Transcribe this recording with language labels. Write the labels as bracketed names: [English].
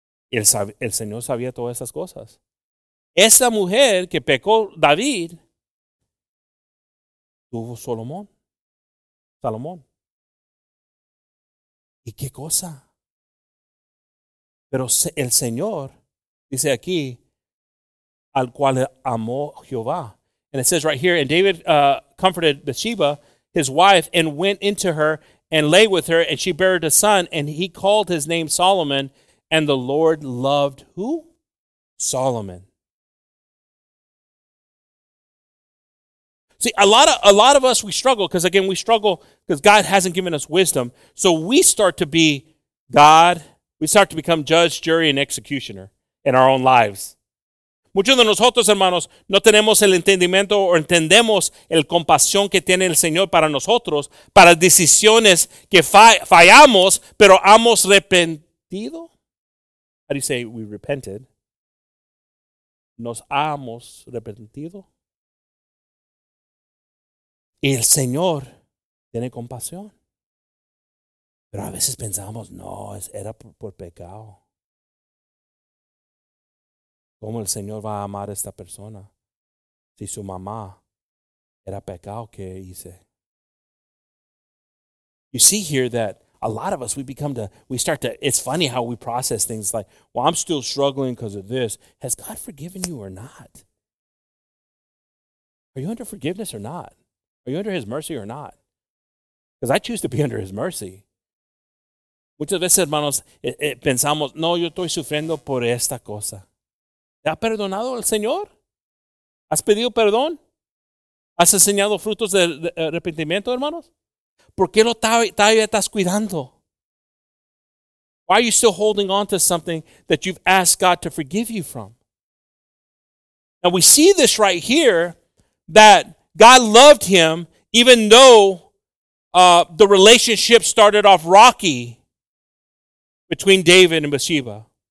[Spanish] El Señor sabía todas esas cosas. Esa mujer que pecó David tuvo Salomón. ¿Y qué cosa? Pero el Señor dice aquí, al cual amó Jehová. [English] And it says right here, and David comforted Bathsheba, his wife, and went into her and lay with her, and she buried a son, and he called his name Solomon, and the Lord loved who? Solomon. See, a lot of us, we struggle, because again, we struggle because God hasn't given us wisdom. So we start to be God. We start to become judge, jury, and executioner in our own lives. [Spanish] Muchos de nosotros, hermanos, no tenemos el entendimiento o entendemos el compasión que tiene el Señor para nosotros, para decisiones que fallamos, pero hemos arrepentido. [English] How do you say we repented? [Spanish] Nos hemos arrepentido. Y el Señor tiene compasión. Pero a veces pensamos, no, era por pecado. ¿Cómo el Señor va a amar a esta persona si su mamá era pecado que hice? [English] You see here that a lot of us, we start to, it's funny how we process things like, well, I'm still struggling because of this. Has God forgiven you or not? Are you under forgiveness or not? Are you under his mercy or not? Because I choose to be under his mercy. [Spanish] Muchas veces, hermanos, pensamos, no, yo estoy sufriendo por esta cosa. ¿Te ha perdonado el Señor? ¿Has pedido perdón? ¿Has enseñado frutos de arrepentimiento, hermanos? ¿Por qué lo todavía estás cuidando? [English] Why are you still holding on to something that you've asked God to forgive you from? Now we see this right here, that God loved him even though the relationship started off rocky between David and Bathsheba.